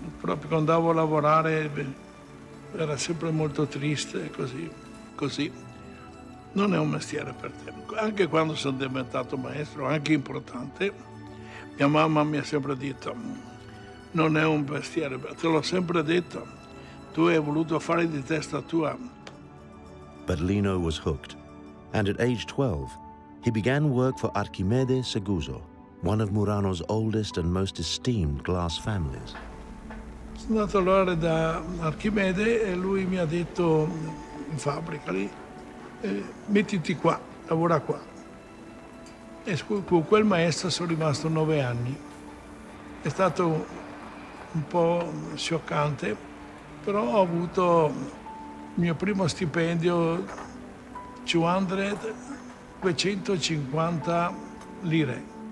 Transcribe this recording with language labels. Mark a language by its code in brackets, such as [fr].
[it] Proprio quando andavo a lavorare era sempre molto triste, così. Non è un mestiere per te. Anche quando sono diventato maestro, anche importante, mia mamma mi ha sempre detto: non è un mestiere, te l'ho sempre detto. Tu hai voluto fare di testa tua. [en] But Lino was hooked, and at age 12, he began work for Archimede Seguso, one of Murano's oldest and most esteemed glass families. [it] Sono andato allora da Archimede e lui mi ha detto in fabbrica lì: mettiti qua, lavora qua. E con quel maestro sono rimasto 9 anni. È stato un po' scioccante, però ho avuto il mio primo stipendio, 250 lire.